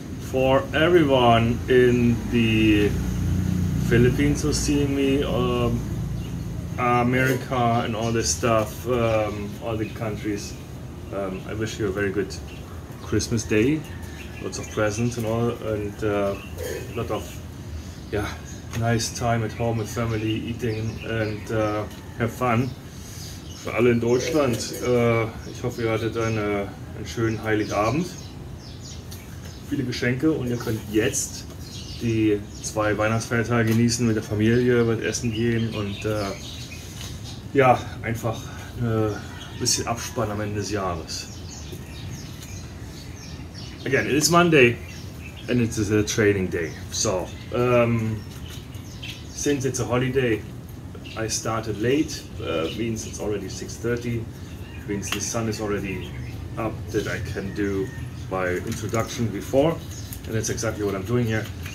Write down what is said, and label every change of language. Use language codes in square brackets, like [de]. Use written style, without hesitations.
[en] For everyone in the Philippines who's seeing me, America and all this stuff, all the countries, I wish you a very good Christmas day. Lots of presents and all, and a lot of, yeah, nice time at home with family, eating and have fun. [de] Für alle in Deutschland, ich hoffe, ihr hattet einen schönen Heiligabend. Viele Geschenke und ihr könnt jetzt die zwei Weihnachtsfeiertage genießen mit der Familie, mit Essen gehen und ja, einfach ein bisschen Abspann am Ende des Jahres. [en] Again, it is Monday and it is a training day. So, since it's a holiday, I started late, means it's already 6:30, means the sun is already up that I can do by introduction before, and that's exactly what I'm doing here.